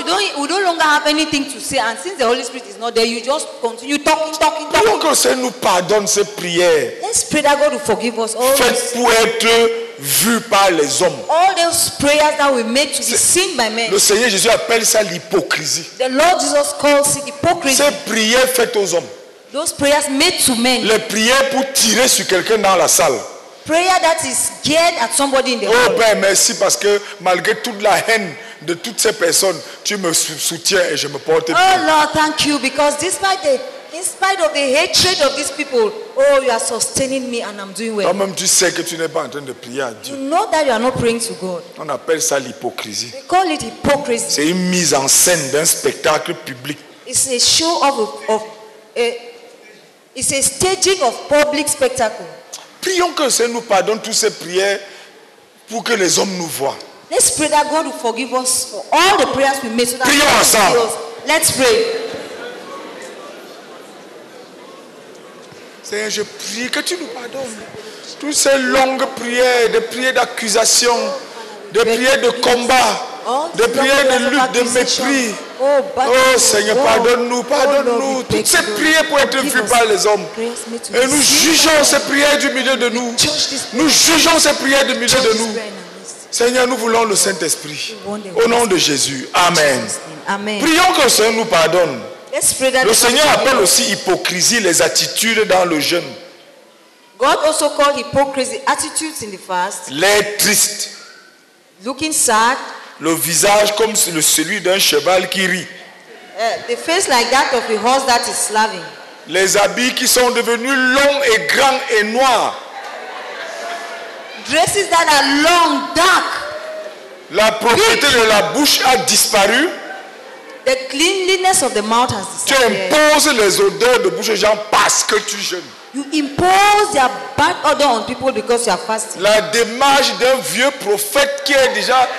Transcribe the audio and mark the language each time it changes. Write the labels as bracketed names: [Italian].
[English] Because we don't longer have anything to say. And since the Holy Spirit is not there, you just continue talking, talking, talking. [French] Prions que le Seigneur nous pardonne ces prières. [English] Let's pray that God will forgive us all. [French] Faites pour être vu par les hommes. [English] All those prayers that we make to be seen by men. [French] Le Seigneur Jésus appelle ça l'hypocrisie. [English] The Lord Jesus calls it hypocrisy. [French] Ces prières faites aux hommes. [English] Those prayers made to men. [French] Les prières pour tirer sur quelqu'un dans la salle. [English] Prayer that is geared at somebody in the hall. [French] Oh ben merci parce que malgré toute la haine de toutes ces personnes, tu me soutiens et je me porte. [English] Oh Lord, thank you because in spite of the hatred of these people, oh you are sustaining me and I'm doing well. [French] Toi-même tu sais que tu n'es pas en train de prier à Dieu. [English] You know that you are not praying to God. [French] On appelle ça l'hypocrisie. [English] They call it hypocrisy. [French] C'est une mise en scène d'un spectacle public. [English] It's a show it's a staging of public spectacle. [French] Prions que le Seigneur nous pardonne toutes ces prières pour que les hommes nous voient. [English] Let's pray that God will forgive us for all the prayers we made so that [French] prions [English] God [French] ensemble. [English] Will forgive us. Let's pray. [French] Seigneur, je prie que tu nous pardonnes toutes ces longues prières, des prières d'accusation, des prières de combat, des prières de lutte, de mépris. Oh, oh Seigneur, pardonne-nous, pardonne-nous. Oh, toutes ces prières pour être vues par les hommes. Et nous jugeons ces prières du milieu de nous. Nous jugeons ces prières du milieu de nous. Seigneur, nous voulons le Saint-Esprit. Au nom de Jésus. Amen. Amen. Prions que le Seigneur nous pardonne. Le Seigneur appelle aussi hypocrisie les attitudes dans le jeûne. [English] God also called hypocrisy attitudes in the fast. [French] L'air triste. [English] Looking sad. [French] Le visage comme celui d'un cheval qui rit. [English] The face like that of a horse that is laughing. [French] Les habits qui sont devenus longs et grands et noirs. [English] Dresses that are long, dark. [French] La propreté de la bouche a disparu. [English] The cleanliness of the mouth has disappeared. [French] Tu imposes les odeurs de bouche aux gens parce que tu jeûnes. [English] You impose your bad odor on people because you are fasting. [French] La démarche d'un vieux prophète qui est déjà